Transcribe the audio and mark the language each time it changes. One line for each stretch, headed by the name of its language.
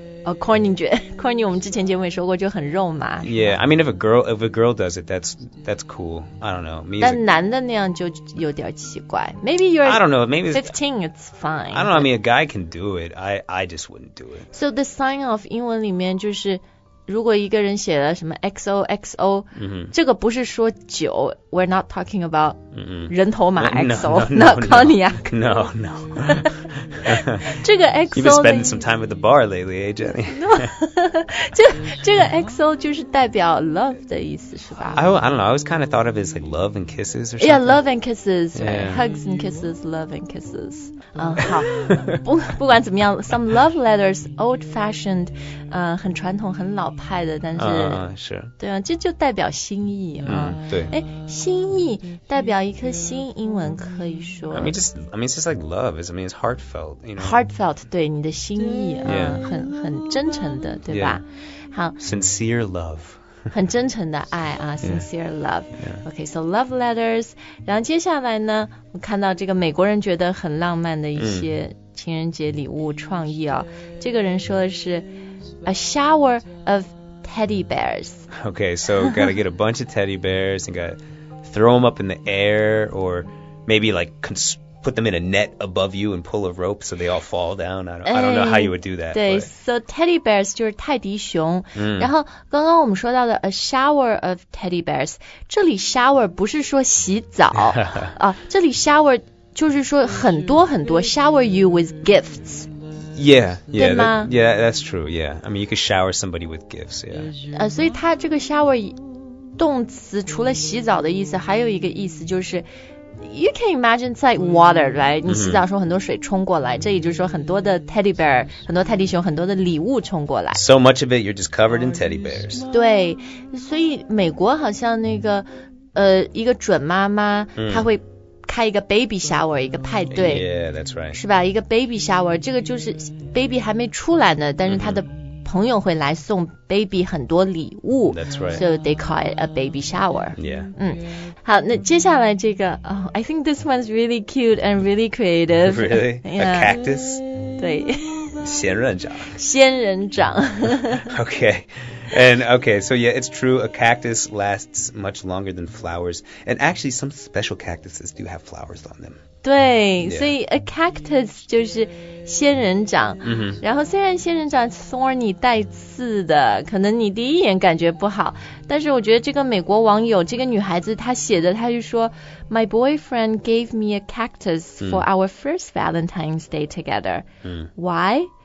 Chinese: Oh, corny, 我们之前节目也说过就很肉麻。
English: Yeah, I mean, if a girl does it, that's cool. I don't know.
Chinese: 但男的那样就有点奇怪。
English: Maybe you're... I don't know, maybe... 15, it's fine. I don't know, I mean, a guy can do it. I just wouldn't do it. So the sign of
Chinese: 英文里面就是如果一个人写了什么 XOXO,、这个不是说酒
English: we're not talking about
Chinese: 人头马 XO,
English: not cognac. No, no.
Chinese: 这个 XO
English: You've been spending some time at the bar lately, eh, Jenny?
Chinese: 这个 XO 就是代表 love 的意思是吧
English: I don't know, I always kind of thought of it as like love and kisses or something Yeah, love and kisses, right? Yeah. Hugs and kisses, love and kisses
Chinese: 好 不管怎么样
English: Some love letters, old-fashioned
Chinese: 很传统很老派的但是是对啊这就代表心意啊、对心意代表一颗心英文可以说
English: I mean, it's just like love, I mean, it's heartfelt, you know?
Chinese: Heartfelt, 对你的心意、很真诚的对吧、好
English: Sincere love
Chinese: 很真诚的爱啊 sincere love、
English: OK, so love letters
Chinese: 然后接下来呢我看到这个美国人觉得很浪漫的一些情人节礼物创意哦、这个人说的是
English: A shower of teddy bears. Okay, so gotta get a bunch of teddy bears and gotta throw them up in the air or maybe like put them in a net above you and pull a rope so they all fall down. I don't know how you would do that.
Chinese: 对
English: but...
Chinese: So teddy bears 就是泰迪熊、然后刚刚我们说到的 a shower of teddy bears, 这里 shower 不是说洗澡 、这里 shower 就是说很多很多
English: shower you with gifts. Yeah, that's true. I mean, you could shower somebody with gifts, yeah.
Chinese: 所以他这个 shower 动词除了洗澡的意思，还有一个意思就是 ，
English: you can imagine it's like water, right?
Chinese: 你洗澡时候很多水冲过来，这也就是说很多的 teddy bear, 很多泰迪熊，很多的礼物冲过来。
English: So much of it, you're just covered in teddy bears.
Chinese: 对，所以美国好像那个一个准妈妈，她会。开一个 baby shower 一个派对
English: yeah that's right
Chinese: 是吧一个 baby shower 这个就是 baby 还没出来呢但是他的朋友会来送 baby 很多礼物
English: that's right so they call it a baby shower yeah
Chinese: 好那接下来这个
English: oh, I think this one's really cute and really creative really? a cactus?
Chinese: 对仙人掌仙人掌
English: okay And okay, so yeah, it's true, a cactus lasts much longer than flowers. And actually, some special cactuses do have flowers on them.
Chinese: 对、所以 a cactus 就是仙人掌、然后虽然仙人掌 thorny 带刺的可能你第一眼感觉不好但是我觉得这个美国网友这个女孩子她写的她就说
English: My boyfriend gave me a cactus for our first Valentine's Day together.、 Why?